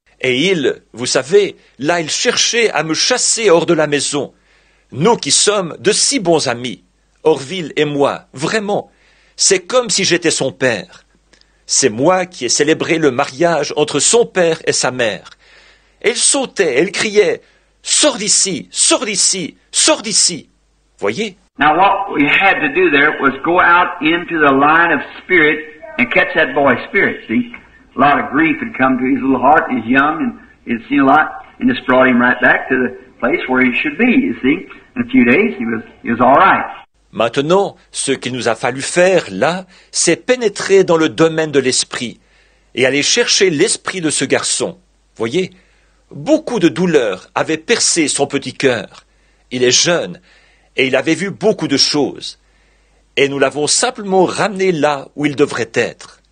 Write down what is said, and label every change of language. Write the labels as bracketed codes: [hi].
[fr] Et il, vous savez, là il cherchait à me chasser hors de la maison, nous qui sommes de si bons amis, Orville et moi, vraiment, c'est comme si j'étais son père. C'est moi qui ai célébré le mariage entre son père et sa mère. Elle sautait, elle criait, « Sors d'ici, sors d'ici, sors d'ici !» Voyez. [en] Now what we had to do there was go out into the line of spirit and catch that boy's spirit, see? A lot of grief had come to his little heart, he's young, and he'd seen a lot, and just brought him right back to the place where he should be, you see? In a few days, he was all right. [fr] Maintenant, ce qu'il nous a fallu faire, là, c'est pénétrer dans le domaine de l'esprit et aller chercher l'esprit de ce garçon. Voyez, beaucoup de douleurs avaient percé son petit cœur. Il est jeune et il avait vu beaucoup de choses. Et nous l'avons simplement ramené là où il devrait être.